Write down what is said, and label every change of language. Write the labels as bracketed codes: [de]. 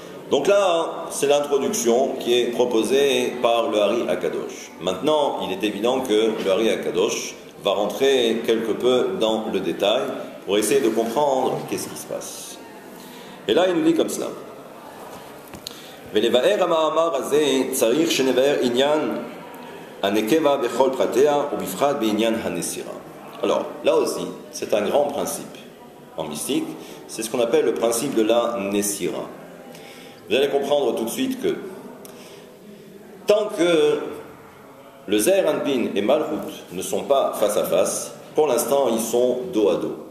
[fr] Donc là, c'est l'introduction qui est proposée par le Hari Akadosh. Maintenant, il est évident que le Hari Akadosh va rentrer quelque peu dans le détail pour essayer de comprendre qu'est-ce qui se passe. Et là, il nous dit comme cela. [he] ולבאר המאמר הזה צריך שנבאר עניין הנקבה בכל פרטיה ובפחד בעניין הנסירה. [fr] Alors, là aussi, c'est un grand principe en mystique. C'est ce qu'on appelle le principe de la nesira. Vous allez comprendre tout de suite que tant que le Zeher Anpin et Malchut ne sont pas face à face, pour l'instant, ils sont dos à dos.